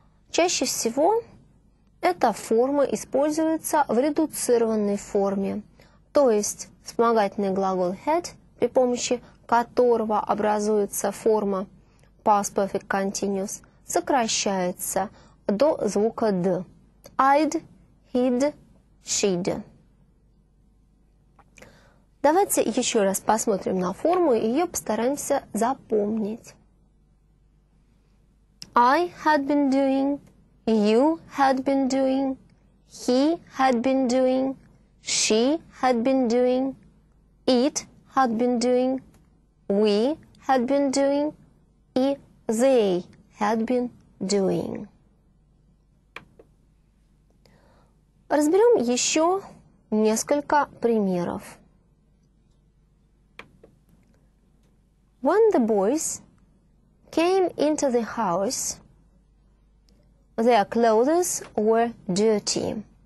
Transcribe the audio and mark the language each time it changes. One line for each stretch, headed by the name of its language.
Russian: Чаще всего эта форма используется в редуцированной форме, то есть вспомогательный глагол had, при помощи которого образуется форма past perfect continuous, сокращается до звука d.
English: I'd, he'd, she'd.
Russian: Давайте еще раз посмотрим на форму и ее постараемся запомнить.
English: I had been doing, you had been doing, he had been doing, she had been doing, it had been doing, we had been doing и they had been doing.
Russian: Разберем еще несколько примеров.
English: When the boys came into the house, their clothes were dirty.